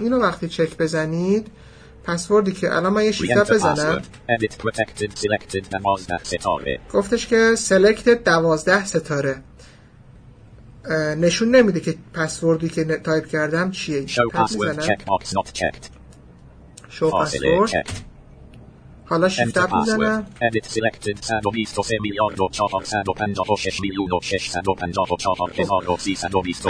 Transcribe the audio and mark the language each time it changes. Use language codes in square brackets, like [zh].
[fa] اینو وقتی چک بزنید پسوردی که الان من یه شیفته بزنم [en] edit, protected, selected, 12 ستاره. [fa] گفتش که select 12 ستاره نشون نمیده که پسوردی که تایپ کردم چیه. [en] show password checkbox not checked. show password. [fa] حالا شیفته بزنم [en] edit selected [fa] 123 میلیارد و 456 میلیون و 654 هزار و 323.